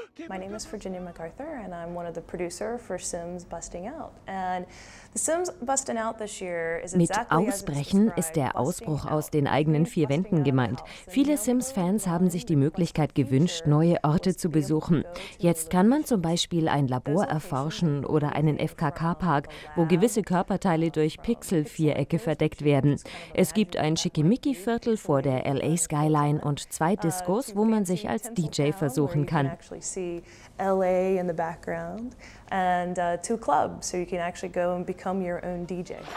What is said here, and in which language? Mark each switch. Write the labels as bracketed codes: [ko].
[en] My name is Virginia MacArthur, and I'm one of the producer for Sims Busting Out. And The Sims Busting Out this year is exactly [de] Mit Ausbrechen ist der Ausbruch aus den eigenen vier Wänden gemeint. Viele Sims-Fans haben sich die Möglichkeit gewünscht, neue Orte zu besuchen. Jetzt kann man zum Beispiel ein Labor erforschen oder einen FKK-Park, wo gewisse Körperteile durch Pixel-Vierecke verdeckt werden. Es gibt ein Schickimicki-Viertel vor der LA Skyline und zwei Discos, wo man sich als DJ versuchen kann. [en] LA in the background and two clubs, so you can actually go and become your own DJ.